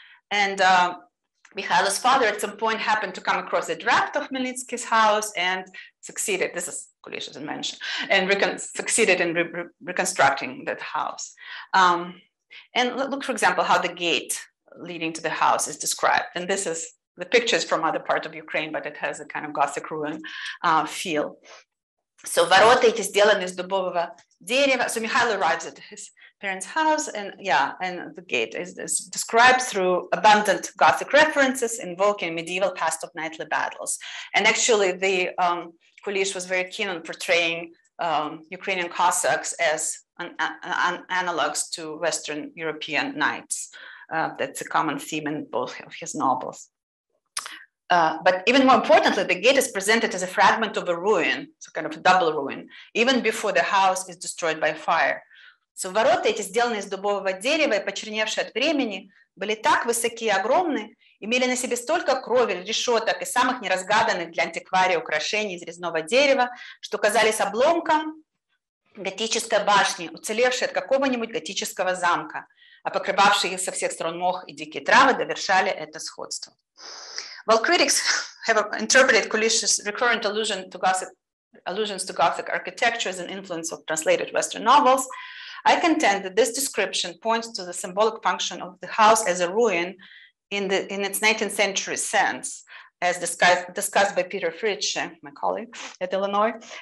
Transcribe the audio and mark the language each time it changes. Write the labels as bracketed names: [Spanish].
[English] And Mikhailo's father at some point happened to come across a draft of Khmelnytsky's house and succeeded, this is Kulish, as I mentioned, and succeeded in reconstructing that house. And look, for example, how the gate leading to the house is described. And this is the pictures from other parts of Ukraine, but it has a kind of Gothic ruin feel. [Russian] So ворота эти сделаны из дубового дерева. [English] So Mikhailo arrives at his parents' house, and yeah, and the gate is described through abundant Gothic references, invoking medieval past of knightly battles. And actually, the Kulish was very keen on portraying Ukrainian Cossacks as an analogs to Western European knights. That's a common theme in both of his novels. But even more importantly, the gate is presented as a fragment of a ruin, so kind of a double ruin, even before the house is destroyed by fire. [Russian] So ворота эти сделаны из дубового дерева и почерневшие от времени были так высоки и огромны, имели на себе столько крови, решеток и самых неразгаданных для антиквария украшений из резного дерева, что казались обломком готической башни, уцелевшей от какого-нибудь готического замка, а покрывавшие их со всех сторон мох и дикие травы довершали это сходство. [English] While critics have interpreted Kulish's recurrent allusions to Gothic architecture as an influence of translated Western novels, I contend that this description points to the symbolic function of the house as a ruin in its 19th century sense, as discussed by Peter Fritsch, my colleague at Illinois,